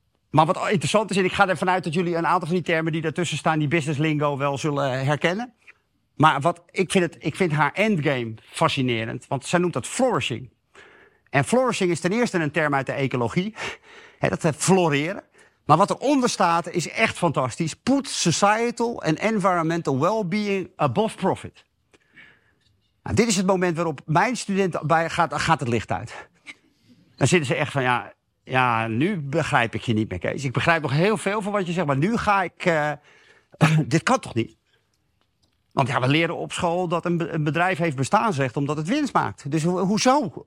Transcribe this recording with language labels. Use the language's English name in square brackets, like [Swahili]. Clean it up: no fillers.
[Dutch] Maar wat interessant is, en ik ga ervan uit dat jullie een aantal van die termen die daartussen staan, die business lingo wel zullen herkennen. Maar wat ik vind haar endgame fascinerend, want zij noemt dat flourishing. En flourishing is ten eerste een term uit de ecologie. He, dat heet floreren. Maar wat eronder staat is echt fantastisch. [English] Put societal and environmental well-being above profit. [Dutch] Nou, dit is het moment waarop mijn student bij gaat het licht uit. Dan zitten ze echt van, ja, nu begrijp ik je niet meer, Kees. Ik begrijp nog heel veel van wat je zegt, maar nu ga ik... dit kan toch niet? Want ja, we leren op school dat een bedrijf heeft bestaansrecht omdat het winst maakt. Dus hoezo?